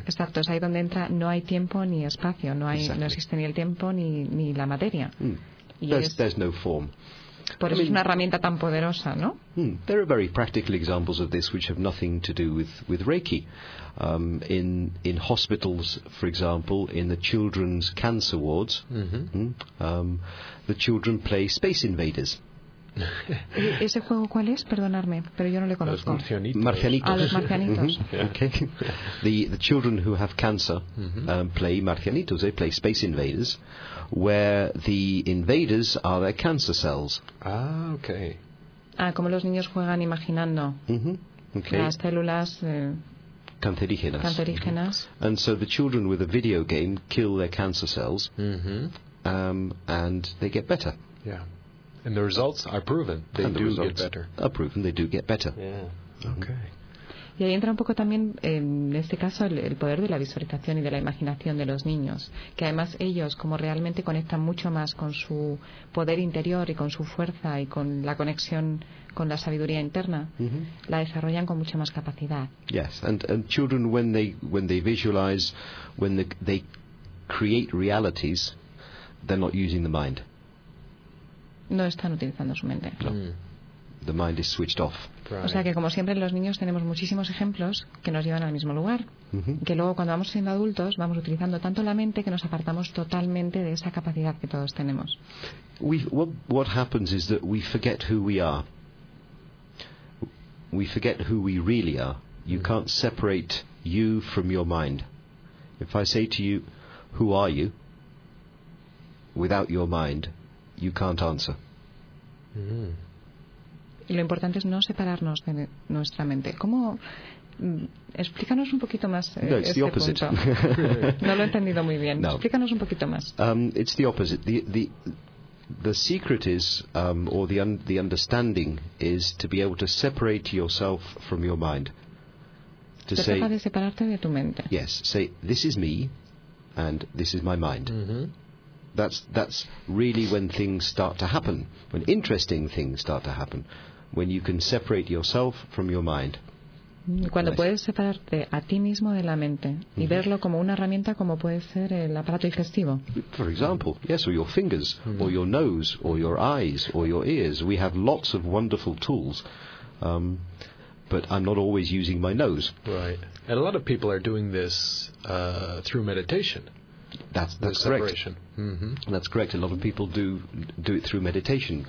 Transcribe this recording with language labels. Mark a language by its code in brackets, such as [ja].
[es] Exacto, es ahí donde entra, no hay tiempo ni espacio, no existe ni el tiempo ni la materia. [en] There's no form. [es] Por eso es una herramienta tan poderosa, ¿no? [en] There are very practical examples of this which have nothing to do with Reiki. In hospitals, for example, in the children's cancer wards, the children play Space Invaders. [es] ¿Ese juego cuál es? Perdonarme, pero yo no le conozco. Los marcianitos. Los marcianitos. [en] Okay. The children who have cancer play marcianitos, they play Space Invaders, where the invaders are their cancer cells. Ah, okay. [es] Ah, como los niños juegan imaginando las células cancerígenas. Cancerígenas. [en] And so the children with a video game kill their cancer cells and they get better. Yeah. And the results are proven. They and do the get better. Are proven. They do get better. Yeah. Okay. [es] Y ahí entra un poco también, en este caso, el poder de la visualización y de la imaginación de los niños, que además ellos, como realmente conectan mucho más con su poder interior y con su fuerza y con la conexión con la sabiduría interna, la desarrollan con mucha más capacidad. [en] Yes, and children when they visualize, when they create realities, they're not using the mind. [es] No están utilizando su mente. No. [en] The mind is switched off. Right. [es] O sea que, como siempre, los niños tenemos muchísimos ejemplos que nos llevan al mismo lugar. Que luego, cuando vamos siendo adultos, vamos utilizando tanto la mente que nos apartamos totalmente de esa capacidad que todos tenemos. [en] What happens is that we forget who we are. We forget who we really are. You can't separate you from your mind. If I say to you, who are you? Without your mind, you can't answer. [es] Y lo importante es no separarnos de nuestra mente. ¿Cómo? Explícanos un poquito más. [en] No, it's [es] este [en] the opposite. [es] No lo he entendido muy bien. No. Explícanos un poquito más. [en] It's the opposite. The secret is, or the understanding is to be able to separate yourself from your mind. [es] To se say, de separarte de tu mente. [en] Yes. Say, this is me, and this is my mind. That's really when things start to happen, when interesting things start to happen, when you can separate yourself from your mind. [es] Cuando puedes separarte a ti mismo de la mente y mm-hmm. verlo como una herramienta, como puede ser el aparato digestivo. [en] For example, yes, or your fingers, mm-hmm. or your nose, or your eyes, or your ears. We have lots of wonderful tools, but I'm not always using my nose. Right. And a lot of people are doing this through meditation. That's correct. Mm-hmm. That's correct. A lot of people do it through meditation.